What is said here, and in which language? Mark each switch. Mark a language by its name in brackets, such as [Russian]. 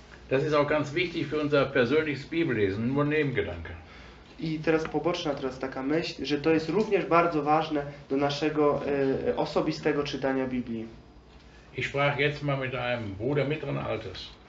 [German] Das ist auch ganz wichtig für unser persönliches Bibellesen, nur Nebengedanke. [Polish] I teraz poboczna taka myśl, że to jest również bardzo ważne do naszego osobistego czytania Biblii. [German] Ich sprach jetzt mal mit einem Bruder mittleren Alters.